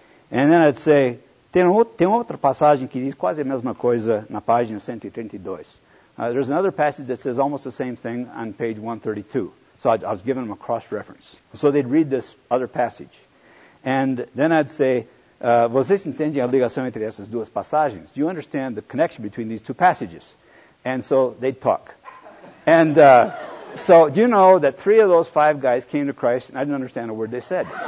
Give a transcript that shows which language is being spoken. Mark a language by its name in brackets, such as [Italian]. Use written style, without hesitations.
[English] And then I'd say, [Portuguese] tem outra passagem que diz quase a mesma coisa na página 132. [English] There's another passage that says almost the same thing on page 132. So I was giving them a cross-reference. So they'd read this other passage. And then I'd say, [Portuguese] vocês entendem a ligação entre essas duas passagens? [English] Do you understand the connection between these two passages? And so they'd talk. And so do you know that three of those five guys came to Christ and I didn't understand a word they said?